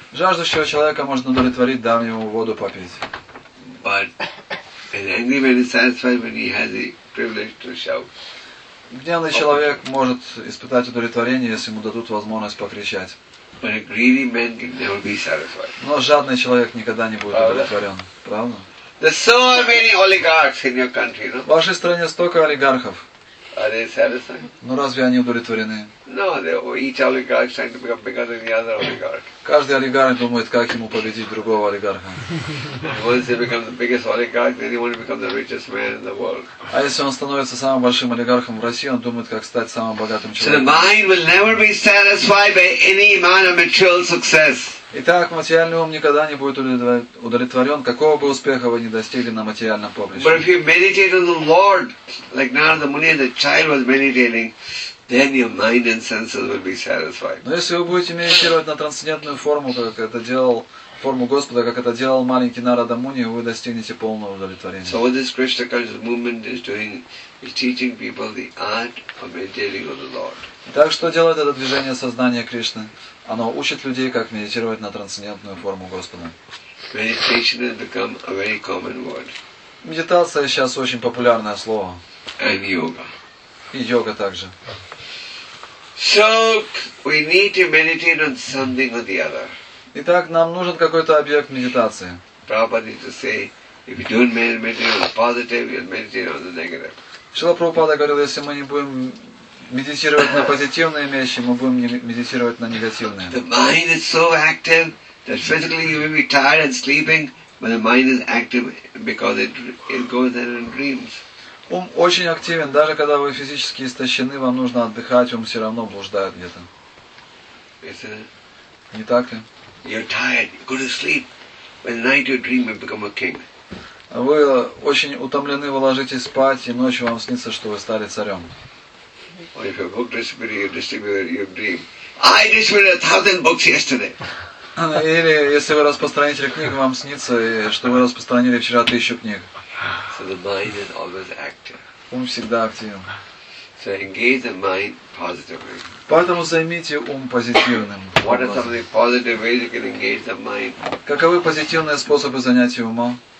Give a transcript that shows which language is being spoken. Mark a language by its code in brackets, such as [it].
[ru] Жаждущего человека можно удовлетворить, дав ему воду попить. [en] But an angry man is satisfied when he has the privilege to shout. [ru] Гневный человек может испытать удовлетворение, если ему дадут возможность покричать. [en] But a greedy man can never be satisfied. [ru] Но жадный человек никогда не будет удовлетворен. Правда? [en] There's so many oligarchs in your country, no? [ru] В вашей стране столько олигархов. [en] Are they satisfied? [ru] Но разве они удовлетворены? [en] No, each oligarch is trying to become bigger than the other oligarch. [ru] Каждый олигарх думает, как ему победить другого олигарха. [en] Once he becomes the biggest oligarch, then he wants to become the richest man in the world. [ru] А если он становится самым большим олигархом в России, он думает, как стать самым богатым человеком. [en] So the mind will never be satisfied by any amount of material success. [ru] Итак, материальный ум никогда не будет удовлетворен, какого бы успеха вы ни достигли на материальном поприще. [en] But if you meditate on the Lord, like Narada Muni and the child was meditating, then your mind and senses will be satisfied. [ru] Но если вы будете медитировать на трансцендентную форму, как это делал форму Господа, как это делал маленький Нарада Муни, вы достигнете полного удовлетворения. [en] So what this Krishna consciousness movement is doing is teaching people the art of meditating on the Lord. [ru] Так что делает это движение сознания Кришны? Оно учит людей, как медитировать на трансцендентную форму Господа. [en] Meditation has become a very common word. [ru] Медитация сейчас очень популярное слово. [en] And yoga. [ru] И йога также. [en] So we need to meditate on something or the other. [ru] Итак, нам нужен какой-то объект медитации. [en] Prabhupada used to say, if you don't meditate on the positive, you'll meditate on the negative. [ru] Шрила Прабхупада говорил, если мы не будем медитировать на позитивные вещи, мы будем медитировать на негативные. [en] The mind is so active that physically you will be tired and sleeping, but the mind is active because it goes there and dreams. [ru] Ум очень активен, даже когда вы физически истощены, вам нужно отдыхать, ум все равно блуждает где-то. Не так ли? [en] You're tired. Go to sleep. When night you dream, you become a king. [ru] Вы очень утомлены, вы ложитесь спать, и ночью вам снится, что вы стали царем. [en] Or if you're a book distributor, you distribute your dream. I distributed 1,000 books yesterday. [ru] Или если вы распространитель книг, вам снится, что вы распространили вчера 1,000 книг. [en] So the mind is always active. [ru] Ум всегда активен. [en] So engage the mind positively. [ru] Поэтому займите ум позитивным. [en] What are some of the positive ways you can engage the mind? [ru] Каковы позитивные способы занятия ума?